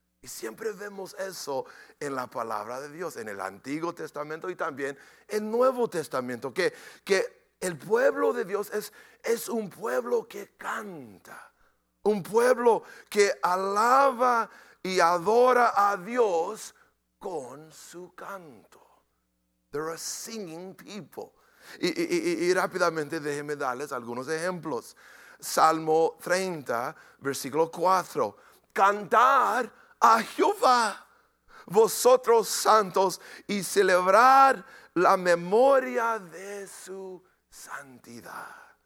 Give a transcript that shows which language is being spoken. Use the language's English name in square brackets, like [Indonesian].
[Spanish] Y siempre vemos eso en la palabra de Dios, en el Antiguo Testamento y también el Nuevo Testamento, que el pueblo de Dios es un pueblo que canta, un pueblo que alaba y adora a Dios con su canto. [English] They're a singing people. [Spanish] Y rápidamente déjenme darles algunos ejemplos. Salmo 30, versículo 4. Cantar a Jehová, vosotros santos, y celebrar la memoria de su santidad.